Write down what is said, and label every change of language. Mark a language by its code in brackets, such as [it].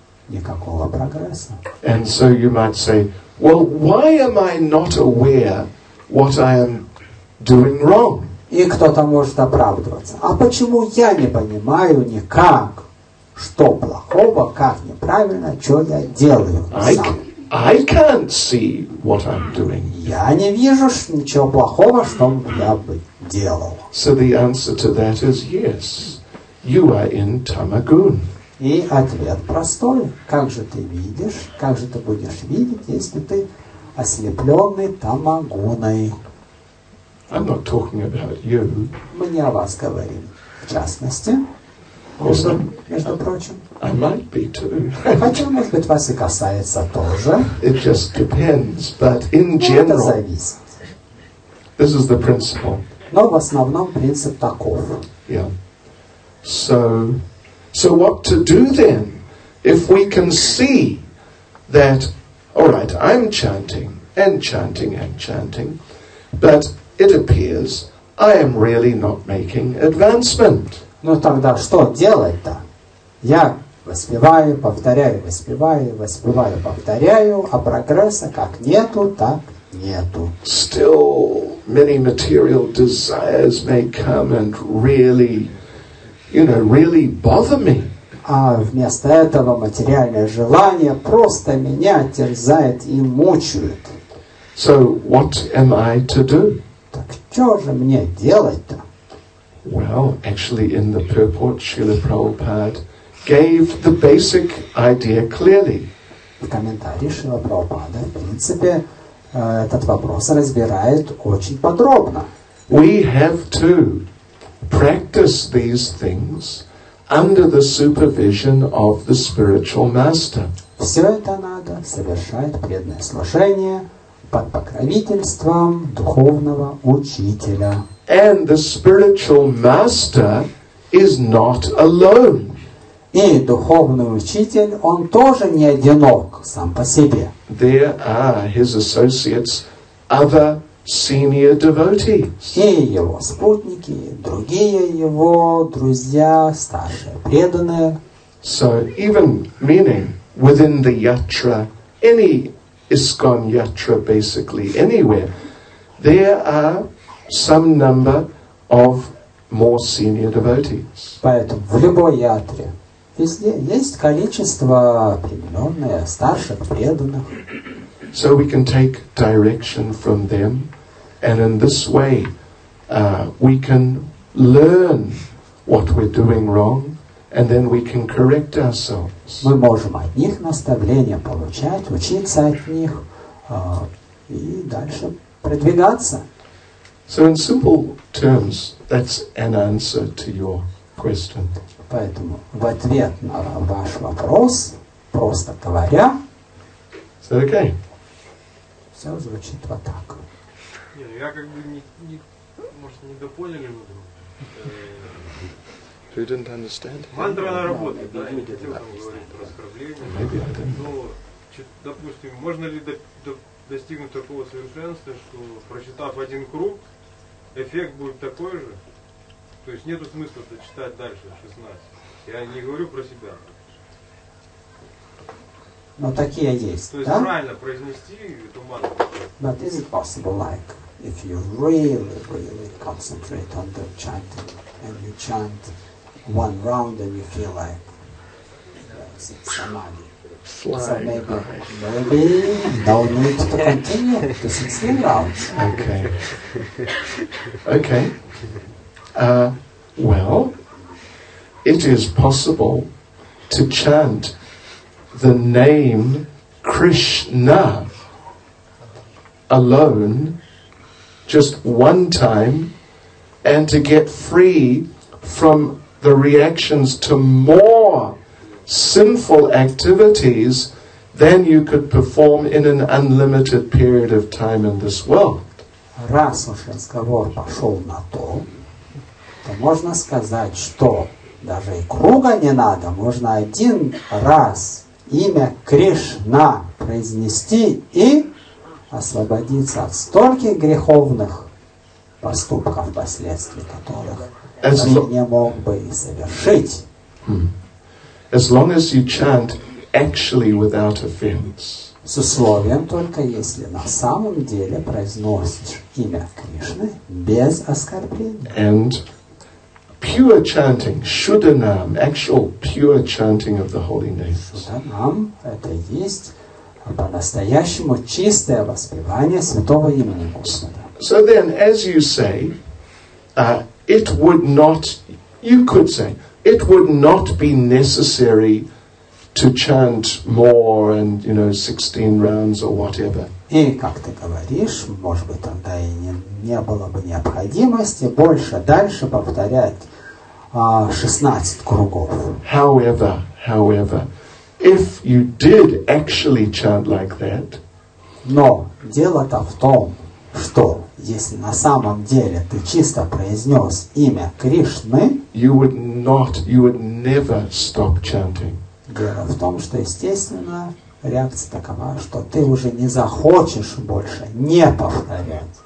[ru] Никакого прогресса. [en] And so you might say, well, why am I not aware what I am doing wrong? [ru] И кто-то может оправдываться. А почему я не понимаю никак, что плохого, как неправильно, что я делаю сам? [en] I can't see what I'm doing. [ru] Я не вижу ничего плохого, что я бы делал. [en] So the answer to that is yes. You are in tamagun. [ru] И ответ простой. Как же ты видишь, как же ты будешь видеть, если ты ослепленный тамагуной? [en] I'm not talking about you. [ru] Мы о вас говорим, в частности. Между прочим. [en] I might be too. [ru] Хотя, может быть, вас и касается тоже. [en] It just depends, but in general. [ru] Это зависит. [en] This is the principle. [ru] Но в основном принцип таков. [en] Yeah. So what to do then, if we can see that, all right, I'm chanting and chanting and chanting, but it appears I am really not making advancement. [ru] Ну тогда что делать-то? Я воспеваю, повторяю, воспеваю, воспеваю, повторяю, а прогресса как нету, так нету. [en] Still, many material desires may come and really, you know, really bother me. [ru] А вместо этого материальное желание просто меня терзает и мучает. [en] So, what am I to do? [ru] Так что же мне делать-то? [en] Well, actually, in the purport, Srila Prabhupada gave the basic idea clearly. [ru] В комментарии Шрила Прабхупада, в принципе, этот вопрос разбирает очень подробно. [en] We have to practice these things under the supervision of the spiritual master. [ru] Все это надо совершать преданное служение под покровительством духовного учителя. [en] And the spiritual master is not alone. [ru] И духовный учитель, он тоже не одинок сам по себе. [en] There are his associates, other senior devotees. [ru] И его спутники, другие его друзья, старшие преданные. [en] So even meaning within the yatra, any ISKCON yatra basically anywhere, there are some number of more senior devotees. [ru] Поэтому в любой ятре везде есть количество определенное старших преданных. [en] So we can take direction from them, and in this way we can learn what we're doing wrong, and then we can correct ourselves. [ru] Мы можем от них наставления получать, учиться от них и дальше продвигаться. [en] So in simple terms, that's an answer to your question. [ru] Поэтому в ответ на ваш вопрос, просто говоря, [en] is that okay? [ru] Все звучит вот так. Не, ну я как бы не может, не допоняли мы друг. [en] You didn't understand? [ru] Мантра на работе, да, я хотел там говорить про оскорбление. Но, допустим, можно ли достигнуть такого совершенства, что прочитав один круг, эффект будет такой же? То есть нету смысла дочитать дальше 16. Я не говорю про себя. Но такие есть. То есть правильно произнести эту мантру. [en] But is it possible, like, if you really, really concentrate on the chanting, and you chant one round and you feel like it's samadhi. Flying. So maybe no need to continue to 16 rounds. Okay. Okay. Well, it is possible to chant the name Krishna alone just one time and to get free from the reactions to more sinful activities than you could perform in an unlimited period of time in this world. [ru] Раз уж разговор пошел на то, то можно сказать, что даже и круга не надо, можно один раз имя Кришна произнести и освободиться от стольких греховных поступков, последствий которых не мог бы и совершить. Hmm. [en] As long as you chant actually without offense. [ru] С условием только, если на самом деле произносишь имя Кришны без оскорбления. [en] And pure chanting, Шуданам, actual pure chanting of the holy name. [ru] Шуданам – это есть по-настоящему чистое воспевание святого имени Господа. [en] So then, as you say, it would not, you could say, it would not be necessary to chant more and, you know, 16 rounds or whatever. [ru] И, как ты говоришь, может быть, тогда и не было бы необходимости больше дальше повторять 16 кругов. [en] However, if you did actually chant like that, [ru] но дело-то в том, что если на самом деле ты чисто произнес имя Кришны, [en] you would never stop chanting. [ru] Дело в том, что, естественно, реакция такова, что ты уже не захочешь больше не повторять.